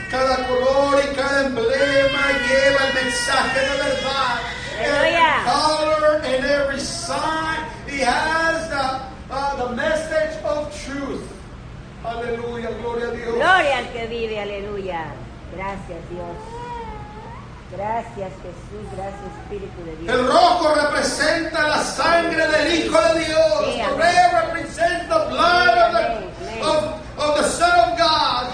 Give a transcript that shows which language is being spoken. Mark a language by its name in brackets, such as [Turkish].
[Spanish] Cada color y cada emblema lleva el mensaje de verdad. [English] Every color and every sign, he has the message of truth. [Spanish] Aleluya, gloria a Dios. Gloria al que vive, aleluya. Gracias, Dios. Gracias, Jesús. Gracias, Espíritu de Dios. El rojo representa la sangre del Hijo de Dios. Sí, [English] the red represents the blood of the Son of God,